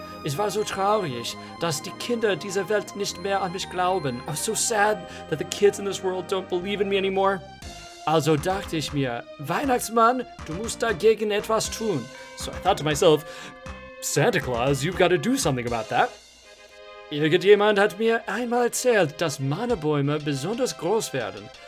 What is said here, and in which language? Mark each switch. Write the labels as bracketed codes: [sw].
[de] Es war so traurig, dass die Kinder dieser Welt nicht mehr an mich glauben. [en] I was so sad that the kids in this world don't believe in me anymore. [de] Also dachte ich mir, Weihnachtsmann, du musst dagegen etwas tun. [en] So I thought to myself, Santa Claus, you've got to do something about that. [de] Irgendjemand hat mir einmal erzählt, dass Mana-Bäume besonders groß werden.